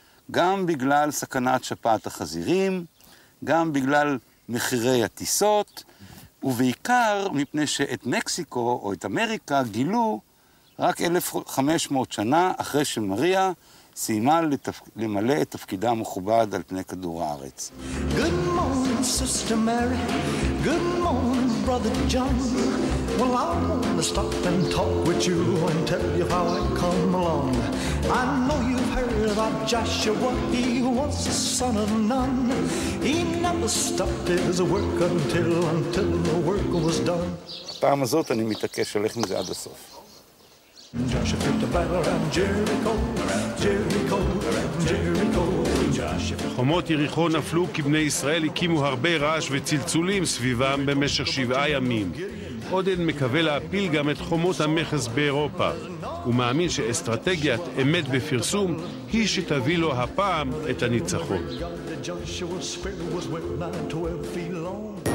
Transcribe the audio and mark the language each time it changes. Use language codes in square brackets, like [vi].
[he] גם בגלל סכנת שפעת החזירים, גם בגלל מחירי הטיסות, ובעיקר מפני שאת מקסיקו או את אמריקה גילו רק 1500 שנה אחרי שמריה סיימה למלא את תפקידה המכובד על פני כדור הארץ. [en] Good morning, sister Mary. Good morning, brother John. Well, I wanna stop and talk with you and tell you how I come along. I know you've heard about Joshua, he was the son of Nun. He never stopped his work until the work was done. [he] הפעם הזאת אני מתעקש ללכת עם זה עד הסוף. [en] Joshua fought the battle around Jericho, Jericho, Jericho. [he] חומות יריחו נפלו כי בני ישראל הקימו הרבה רעש וצלצולים סביבם במשך שבעה ימים. עודן מקווה להפיל גם את חומות המכס באירופה. הוא מאמין שאסטרטגיית אמת בפרסום היא שתביא לו הפעם את הניצחון.